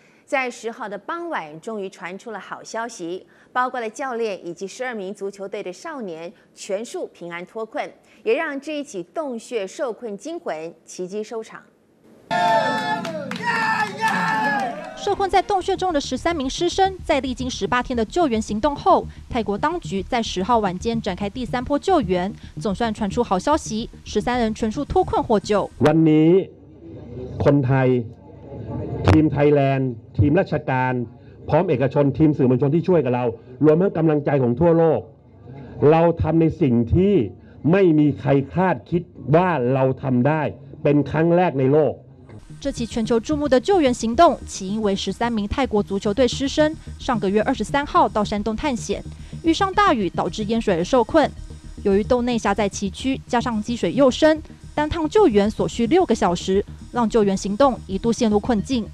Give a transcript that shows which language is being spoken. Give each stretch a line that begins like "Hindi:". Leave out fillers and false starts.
Chinese: 在10号的傍晚，终于传出了好消息，包括了教练以及12名足球队的少年全数平安脱困，也让这一起洞穴受困惊魂奇迹收场。受困在洞穴中的13名师生，在历经18天的救援行动后，泰国当局在10号晚间展开第三波救援，总算传出好消息，13人全数脱困获救。
Thai: วันนี้คนไทยทีมไทยแลนด์ทีมราชการพร้อมเอกชนทีมสื่อมวลชนที่ช่วยกับเรารวมทั้งกำลังใจของทั่วโลกเราทำในสิ่งที่ไม่มีใครคาดคิดว่าเราทำได้เป็นครั้งแรกในโลก
Chinese: 这起全球注目的救援行动起因为13名泰国足球队师生上个月23号到山洞探险，遇上大雨导致淹水而受困。由于洞内狭窄崎岖，加上积水又深，单趟救援所需6个小时，让救援行动一度陷入困境。